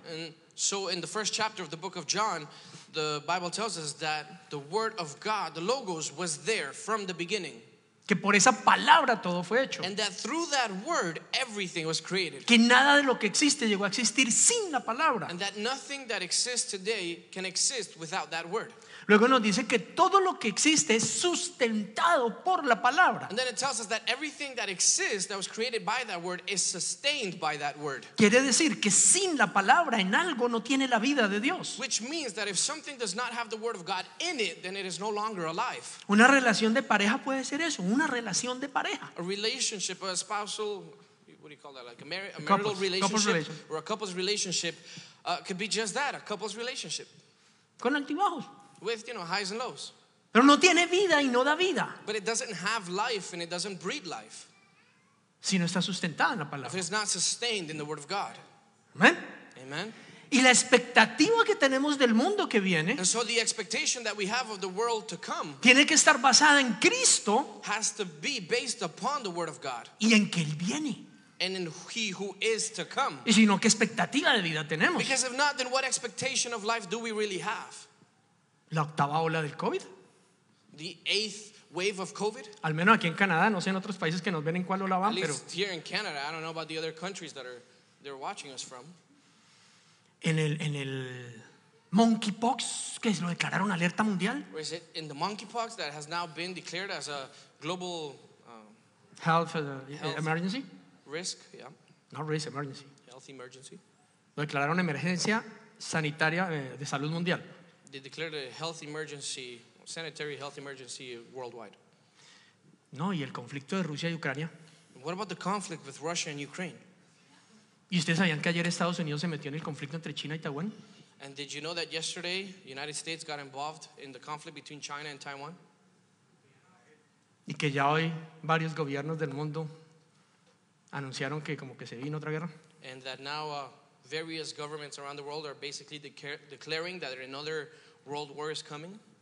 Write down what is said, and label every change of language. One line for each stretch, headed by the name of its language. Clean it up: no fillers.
English: And so in the first chapter of the book of John, the Bible tells us that the Word of God, the Logos, was there from the beginning.
Spanish: Que por esa palabra todo fue hecho.
English: And that through that word, everything was created.
Spanish: Que nada de lo que existe llegó a existir sin la palabra.
English: And that nothing that exists today can exist without that word.
Spanish: Luego nos dice que todo lo que existe es sustentado por la palabra.
English: And then it tells us that everything that exists that was created by that word is sustained by that word.
Spanish: Quiere decir que sin la palabra en algo no tiene la vida de Dios.
English: Which means that if something does not have the word of God in it, then it is no longer alive.
Spanish: Una relación de pareja puede ser eso, una relación de pareja.
English: A relationship, a spousal, what do you call that, like a marital relationship, could be just that, a couple's relationship.
Spanish: Con altibajos.
English: With, you know, highs and lows.
Spanish: Pero no tiene vida y no da vida.
English: But it doesn't have life and it doesn't breed life.
Spanish: Si no está sustentada en la palabra.
English: If it's not sustained in the word of God.
Spanish: Amen.
English: Amen.
Spanish: Y la expectativa que tenemos del mundo que viene.
English: And so the expectation that we have of the world to come.
Spanish: Tiene que estar basada en Cristo.
English: Has to be based upon the word of God.
Spanish: Y en que Él viene.
English: And in he who is to come.
Spanish: Y sino qué expectativa de vida tenemos.
English: Because if not, then what expectation of life do we really have?
Spanish: La octava ola del COVID.
English: The eighth wave of COVID.
Spanish: Al menos aquí en Canadá, no sé en otros países que nos ven en cuál ola van, pero.
English: At least here in Canada, I don't know about the other countries that they're watching us from.
Spanish: En el monkeypox, que se lo declararon alerta mundial.
English: Or is it in the monkeypox that has now been declared as a global health emergency? Risk, yeah. Not risk, emergency. Health emergency.
Spanish: Lo declararon emergencia sanitaria de salud mundial.
English: They declared a health emergency, sanitary health emergency worldwide.
Spanish: No, y el conflicto de Rusia y Ucrania.
English: What about the conflict with Russia and Ukraine?
Spanish: ¿Y ustedes sabían que ayer Estados Unidos se metió en el conflicto entre China y Taiwán?
English: And did you know that yesterday the United States got involved in the conflict between China and Taiwan?
Spanish: Y que ya hoy varios gobiernos del mundo anunciaron que como que se vino otra guerra.
English: And that now... Various governments around the world are basically declaring that another world war is coming.